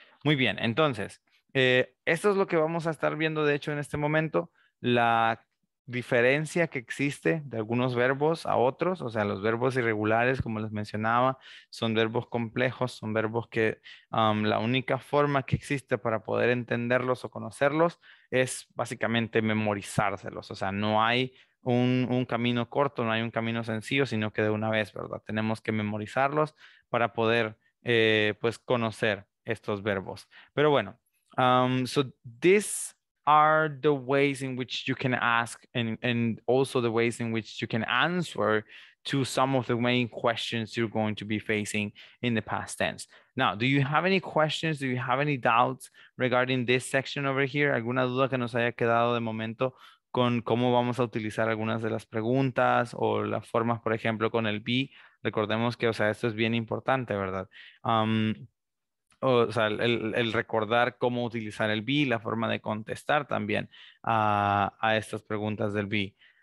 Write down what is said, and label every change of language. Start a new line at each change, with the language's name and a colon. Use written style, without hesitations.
Spanish: Muy bien, entonces, esto es lo que vamos a estar viendo, de hecho, en este momento, la diferencia que existe de algunos verbos a otros, o sea, los verbos irregulares, como les mencionaba, son verbos complejos, son verbos que la única forma que existe para poder entenderlos o conocerlos es básicamente memorizárselos, o sea, no hay un camino corto, no hay un camino sencillo, sino que de una vez, ¿verdad? Tenemos que memorizarlos para poder, pues, conocer estos verbos. Pero bueno,
English: so this are the ways in which you can ask and also the ways in which you can answer to some of the main questions you're going to be facing in the past tense. Now, do you have any questions? Do you have any doubts regarding this section over here?
Spanish: ¿Alguna duda que nos haya quedado de momento con cómo vamos a utilizar algunas de las preguntas o las formas, por ejemplo, con el be? Recordemos que, o sea, esto es bien importante, ¿verdad? O sea, el recordar cómo utilizar el be, la forma de contestar también a estas preguntas del be.